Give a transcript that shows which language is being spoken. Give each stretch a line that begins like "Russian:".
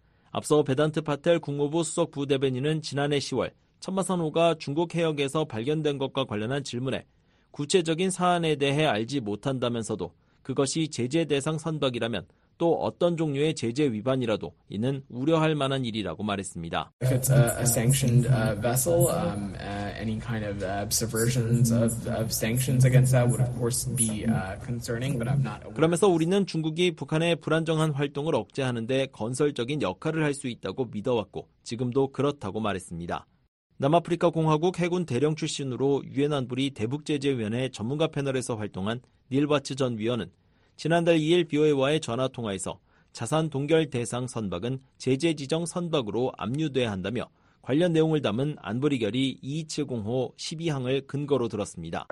Korean: 앞서 베단트 파텔 국무부 수석 부대변인은 지난해 10월 천마산호가 중국 해역에서 발견된 것과 관련한 질문에 구체적인 사안에 대해 알지 못한다면서도 그것이 제재 대상 선박이라면 또 어떤 종류의 제재 위반이라도 이는 우려할 만한 일이라고 말했습니다.
English: If it's a sanctioned vessel, any kind of subversions of sanctions against that would of course be concerning, but I'm not.
Korean: 그러면서 우리는 중국이 북한의 불안정한 활동을 억제하는데 건설적인 역할을 할 수 있다고 믿어왔고 지금도 그렇다고 말했습니다. 남아프리카 공화국 해군 대령 출신으로 유엔 안보리 대북 제재 위원회 전문가 패널에서 활동한 닐 바츠 전 위원은 지난달 2일 BOA와의 전화 통화에서 자산 동결 대상 선박은 제재 지정 선박으로 압류돼야 한다며 관련 내용을 담은 안보리 결의 2270호 12항을 근거로 들었습니다.